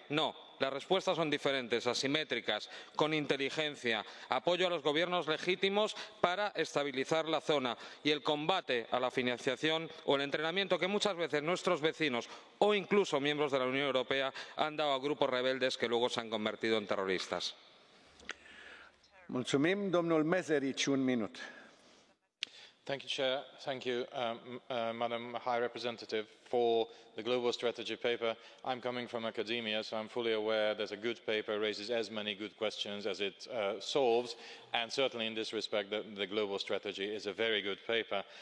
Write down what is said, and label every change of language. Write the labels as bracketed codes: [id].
[es] No, las respuestas son diferentes, asimétricas, con inteligencia, apoyo a los gobiernos legítimos para estabilizar la zona y el combate a la financiación o el entrenamiento que muchas veces nuestros vecinos o incluso miembros de la Unión Europea han dado a grupos rebeldes que luego se han convertido en terroristas. [ro] Mulțumim, domnul Meseric, un minut. [en] Thank you, Chair. Thank you, Madam High Representative, for the Global Strategy paper. I'm coming from academia, so I'm fully aware that a good paper raises as many good questions as it solves, and certainly in this respect, the Global Strategy is a very good paper.